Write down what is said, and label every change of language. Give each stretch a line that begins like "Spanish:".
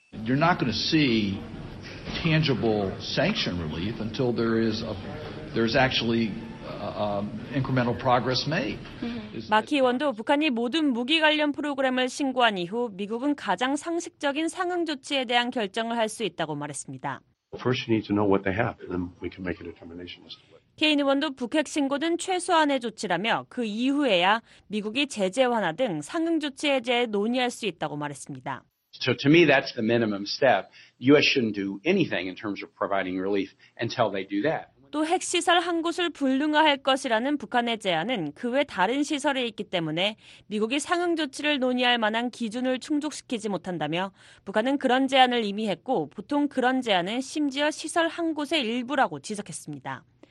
English: You're not going to see tangible sanction relief until there's actually incremental progress made.
Korean: 마키 의원도 북한이 모든 무기 관련 프로그램을 신고한 이후 미국은 가장 상식적인 상응 조치에 대한 결정을 할 수 있다고 말했습니다.
English: First, you need to know what they have, and then we can make a determination as to.
Korean: 케인 의원도 북핵 신고는 최소한의 조치라며 그 이후에야 미국이 제재 완화 등 상응 조치에 대해 논의할 수 있다고 말했습니다.
English: So to me, that's the minimum step. U.S. shouldn't do anything in terms of providing relief until they do that.
Korean: 또 핵시설 한 곳을 불능화할 것이라는 북한의 제안은 그 외 다른 시설에 있기 때문에 미국이 상응 조치를 논의할 만한 기준을 충족시키지 못한다며 북한은 그런 제안을 이미 했고 보통 그런 제안은 심지어 시설 한 곳의 일부라고 지적했습니다.